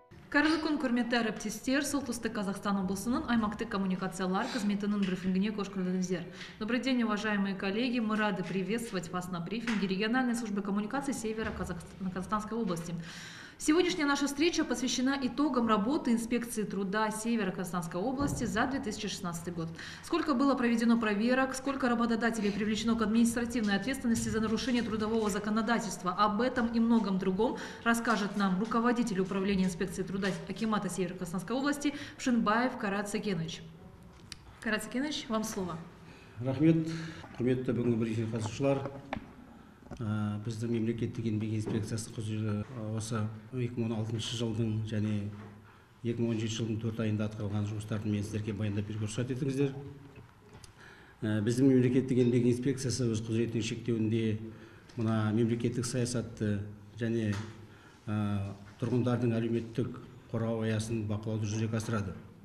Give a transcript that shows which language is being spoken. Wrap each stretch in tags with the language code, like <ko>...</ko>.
<kk>Қайырлы күн, құрметті әріптестер. Солтүстік Қазақстан облысының аймақтық коммуникациялар қызметінің брифингіне қош келдіңіздер.</kk> <ru>Добрый день, уважаемые коллеги. Мы рады приветствовать вас на брифинге региональной службы коммуникации Севера Казахстанской области. Сегодняшняя наша встреча посвящена итогам работы инспекции труда Севера Казахстанской области за 2016 год. Сколько было проведено проверок, сколько работодателей привлечено к административной ответственности за нарушение трудового законодательства. Об этом и многом другом расскажет нам руководитель управления инспекции труда Акимата Севера Казахстанской области Пшинбаев Карат Сакенович. Карат Сакенович, вам слово.</ru> <kk>Рахмет. Құрметті бүгінгі брифинг қатысушылар. Біздің мемлекеттік еңбек инспекциясы құзыры осы 2016 жылдың және 2017 жылдың 4 айында атқарылған жұмыстарды мен сіздерге баяндап беруге рұқсат етіңіздер. Біздің мемлекеттік еңбек инспекциясы өз құзыретінің шектеуінде мына мемлекеттік саясатты және тұрғындардың әлеуметтік қорғау аясын бақылауды жүзеге асырады.</kk>